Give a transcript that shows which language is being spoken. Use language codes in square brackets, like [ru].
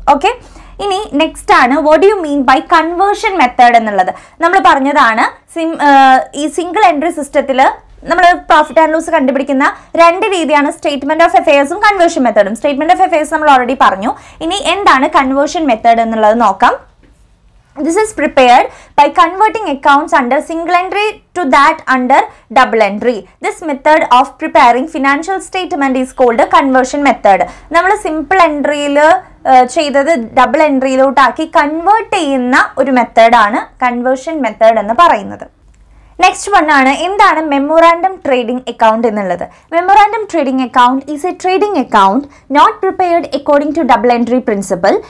[ml] Okay, ഇനി next ആണ് [en] what you mean by conversion method [ml] എന്നുള്ളത്. നമ്മൾ പറഞ്ഞതാണ് ഈ സിംഗിൾ എൻട്രി സിസ്റ്റത്തിൽ നമ്മുടെ പ്രോഫിറ്റ് ആൻഡ് ലോസ് കണ്ടുപിടിക്കുന്ന രണ്ട് രീതിയാണ് statement of എഫയേഴ്സും conversion മെത്തേഡും. Statement of എഫയേഴ്സ് നമ്മൾ ഓൾറെഡി പറഞ്ഞു. ഇനി എന്താണ് കൺവേർഷൻ മെത്തേഡ് എന്നുള്ളത് നോക്കാം. [en] This is prepared by converting accounts under single entry to that under double entry. This method of preparing financial statement is called a conversion method. [ml] നമ്മള് simple entry ല് ചെയ്തത് double entry ലോട്ടാക്കി convert ചെയ്യുന്ന ഒരു method ആണ് conversion method എന്ന് പറയുന്നത്. Next one ആണ് എന്താണ് മെമ്മോറാൻഡം ട്രേഡിംഗ് അക്കൗണ്ട് എന്നുള്ളത്. [en] Memorandum trading account is a trading account not prepared according to double entry principle.